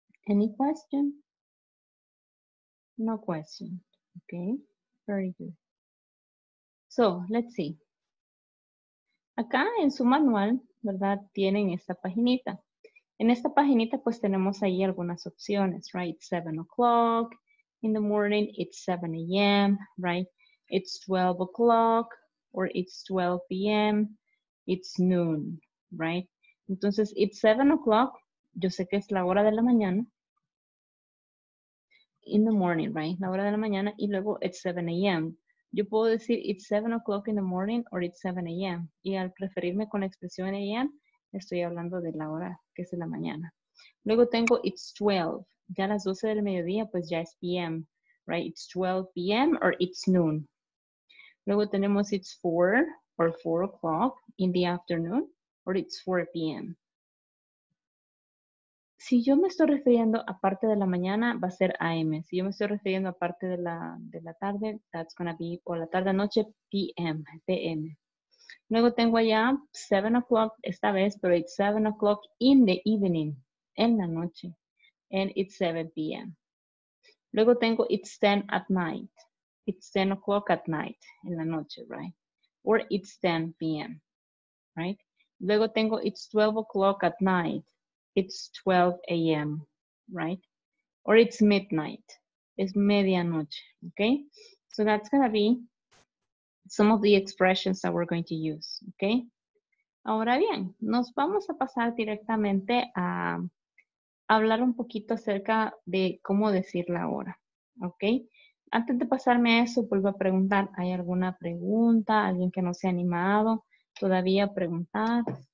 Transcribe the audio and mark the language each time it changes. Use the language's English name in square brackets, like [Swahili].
[English] Any question? No question. Okay, very good. So, let's see. [Spanish] Acá en su manual, ¿verdad? Tienen esta paginita. En esta paginita, pues tenemos ahí algunas opciones, right? [English] 7 o'clock in the morning, it's 7 a.m., right? It's 12 o'clock, or it's 12 p.m., it's noon, right? [Spanish] Entonces, [English] it's 7 o'clock, [Spanish] yo sé que es la hora de la mañana. [English] In the morning, right? [Spanish] La hora de la mañana y luego [English] it's 7 a.m. [Spanish] Yo puedo decir [English] it's 7 o'clock in the morning or it's 7 a.m. [Spanish] Y al referirme con la expresión a.m., Estoy hablando de la hora que es en la mañana. Luego tengo [English] it's 12. [Spanish] Ya a las 12 del mediodía, pues ya es p.m. [English] Right? It's 12 p.m. or it's noon. [Spanish] Luego tenemos [English] it's 4 or 4 o'clock in the afternoon or it's 4 p.m. [Spanish] Si yo me estoy refiriendo a parte de la mañana, va a ser a.m. Si yo me estoy refiriendo a parte de la tarde, [English] that's going to be, [Spanish] o la tarde-noche, p.m., p.m. Luego tengo allá [English] 7 o'clock [Spanish] esta vez, pero [English] it's 7 o'clock in the evening, [Spanish] en la noche, [English] and it's 7 p.m. [Spanish] Luego tengo [English] it's 10 at night, it's 10 o'clock at night, [Spanish] en la noche, [English] right? Or it's 10 p.m., right? [Spanish] Luego tengo [English] it's 12 o'clock at night, it's 12 a.m., right? Or it's midnight, [Spanish] es medianoche, [English] okay? So that's gonna be some of the expressions that we're going to use, okay? [Spanish] Ahora bien, nos vamos a pasar directamente a hablar un poquito acerca de cómo decir la hora, okay? Antes de pasarme a eso, vuelvo a preguntar, ¿hay alguna pregunta? ¿Alguien que no se ha animado todavía a preguntar?